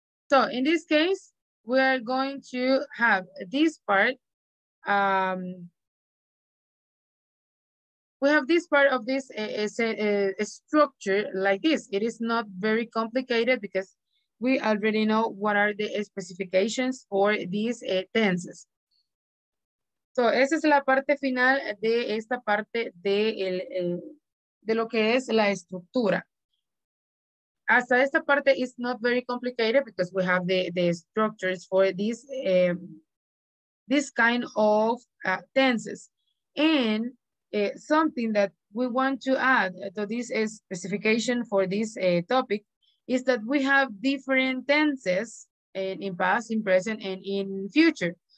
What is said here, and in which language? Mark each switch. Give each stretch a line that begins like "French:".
English: So in this case, we are going to have this part. We have this part of this structure like this. It is not very complicated because we already know what are the specifications for these tenses.
Spanish: So, esa es la parte final de esta parte de lo que es la estructura. Hasta esta parte
English: is not very complicated because we have the structures for these this kind of tenses. And something that we want to add to this specification for this topic is that we have different tenses in past, in present, and in future.